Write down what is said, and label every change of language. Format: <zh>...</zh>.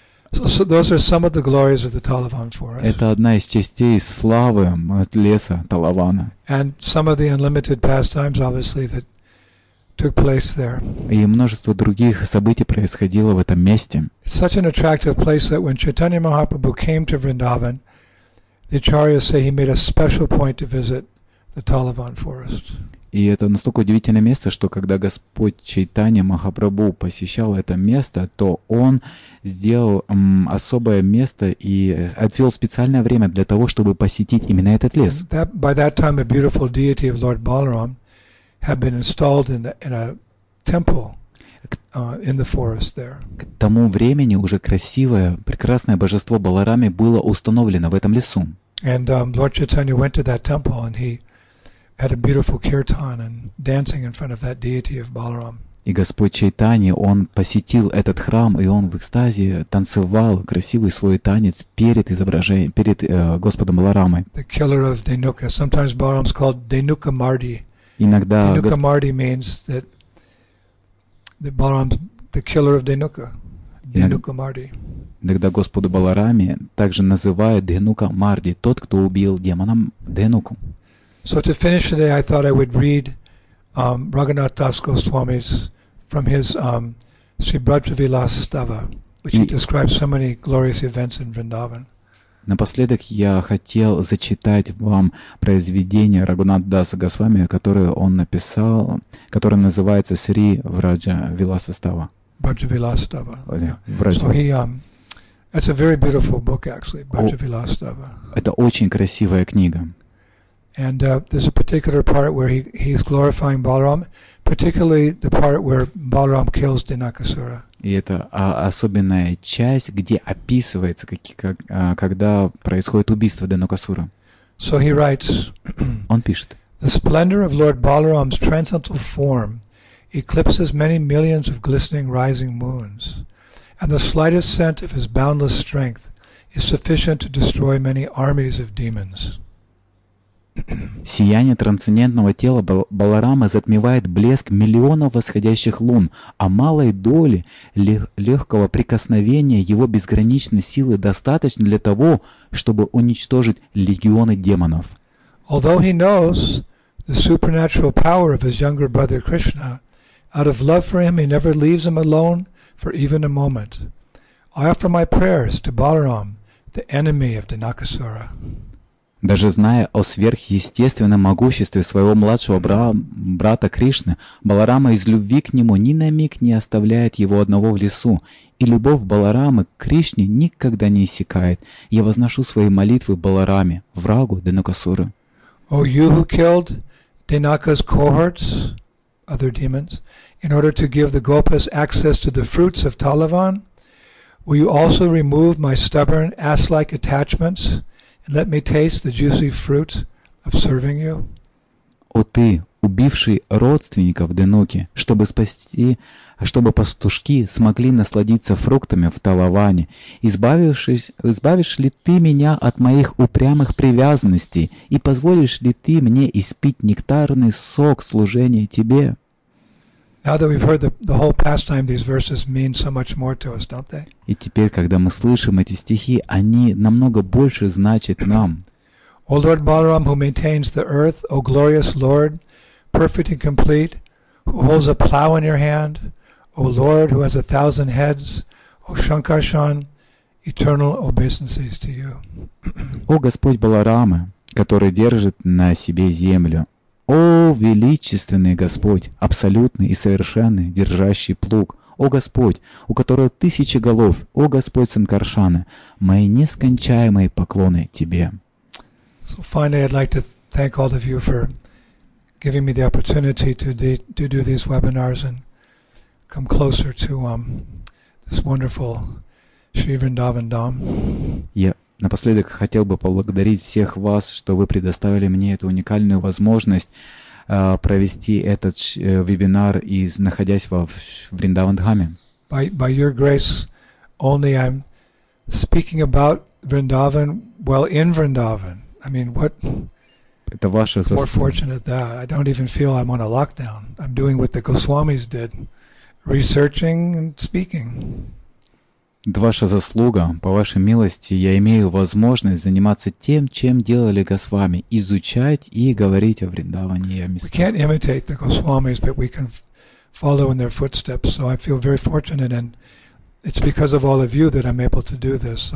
<en>So those are some of the glories of the Talavan forest.</en> <ru>Это одна из частей славы леса Талавана.</ru> <en>And some of the unlimited pastimes, obviously, that took place there.</en> <ru>И множество других событий происходило в этом месте.</ru> <en>It's such an attractive place that when Chaitanya Mahaprabhu came to Vrindavan, the acharyas say he made a special point to visit the Talavan forest.</en> <ru>И это настолько удивительное место, что когда Господь Чайтанья Махапрабху посещал это место, то он сделал особое место и отвел специальное время для того, чтобы посетить именно этот лес.</ru> <en>By that time a beautiful deity of Lord Balaram had been installed in a temple. In the forest there.</en> <ru>К тому времени уже красивое, прекрасное божество Баларами было установлено в этом лесу.</ru> <en>And Lord Chaitanya went to that temple and he had a beautiful kirtan and dancing in front of that deity of Balaram.</en> <ru>И Господь Чайтанья, он посетил этот храм, и он в экстазе танцевал красивый свой танец перед изображением, перед Господом Баларамой.</ru> <en>The killer of Denuka. Sometimes Balaram is called Denuka Mardi.</en> <ru>Иногда</ru> <en>Denuka Mardi means that the Balaram's the killer of Denuka.</en> <ru>Денука Марди. Иногда Господу Баларами также называют Денука Марди, тот, кто убил демоном Денуку.</ru> <en>So to finish today, I thought I would read Raghunath Das Goswami's from his Sri Brajavilas Stava, which he describes so many glorious events in Vrindavan.</en> <ru>Напоследок я хотел зачитать вам произведение Рагунат Даса Госвами, которое он написал, которое называется Sri Brajavilas Stava.</ru> <en>Brajavilas Stava. Yeah. So he that's a very beautiful book, actually. Brajavilas Stava.</en> <ru>Это очень красивая книга.</ru> <en>And there's a particular part where he's glorifying Balaram, particularly the part where Balaram kills Denukasura.</en> <ru>И это особенная часть, где описывается, когда происходит убийство Денукасура.</ru> <en>So he writes.</en> <ru>Он пишет.</ru> <en>The splendor of Lord Balaram's transcendental form eclipses many millions of glistening rising moons, and the slightest scent of his boundless strength is sufficient to destroy many armies of demons.</en> <ru>Сияние трансцендентного тела Баларама затмевает блеск миллионов восходящих лун, а малой доли легкого прикосновения его безграничной силы достаточно для того, чтобы уничтожить легионы демонов.</ru> <en>Although he knows the supernatural power of his younger brother Krishna, Out of love for him, he never leaves him alone for even a moment. I offer my prayers to Balaram, the enemy of Dhanakasura.</en> <ru>Даже зная о сверхъестественном могуществе своего младшего брата Кришны, Баларама из любви к нему ни на миг не оставляет его одного в лесу, и любовь Баларамы к Кришне никогда не иссякает. Я возношу свои молитвы Балараме, врагу Дханакасуры.</ru> <en>О, you who killed Dhanaka's cohorts, other demons, in order to give the gopas access to the fruits of Talavan, will you also remove my stubborn ass-like attachments? Let me taste the juicy fruit of serving you.</en> <ru>О ты, убивший родственников Денуки, чтобы пастушки смогли насладиться фруктами в Талаване, избавишь ли ты меня от моих упрямых привязанностей и позволишь ли ты мне испить нектарный сок служения тебе?</ru> <en>Now that we've heard the whole pastime, these verses mean so much more to us, don't they?</en> <ru>И теперь, когда мы слышим эти стихи, они намного больше значат нам.</ru> <en>O Lord Balaram, who maintains the earth, O glorious Lord, perfect and complete, who holds a plow in your hand, O Lord, who has a thousand heads, O Shankarshan, eternal obeisances to you.</en> <ru>О Господь Баларама, который держит на себе землю. О, величественный Господь, абсолютный и совершенный, держащий плуг! О Господь, у которого тысячи голов! О Господь Санкаршана, мои нескончаемые поклоны Тебе!</ru> <en>So finally, I'd like to thank all of you for giving me the opportunity to do these webinars and come closer to this wonderful Sri Vrindavan Dham.</en> <ru>Напоследок хотел бы поблагодарить всех вас, что вы предоставили мне эту уникальную возможность провести этот вебинар, из, находясь во Вриндаван-дхаме.</ru> <en>By your grace only I'm speaking about Vrindavan while in Vrindavan. I mean, what</en> <ru>это ваша</ru> <en>more fortunate that. I don't even feel I'm on a lockdown. I'm doing what the Goswamis did, researching and speaking.</en> <ru>Это ваша заслуга, по вашей милости, я имею возможность заниматься тем, чем делали Госвами, изучать и говорить о Вриндаване и о местах.</ru> <en>We can't imitate the Goswamis, but we can follow in their footsteps. So I feel very fortunate, and it's because of all of you that I'm able to do this.</en>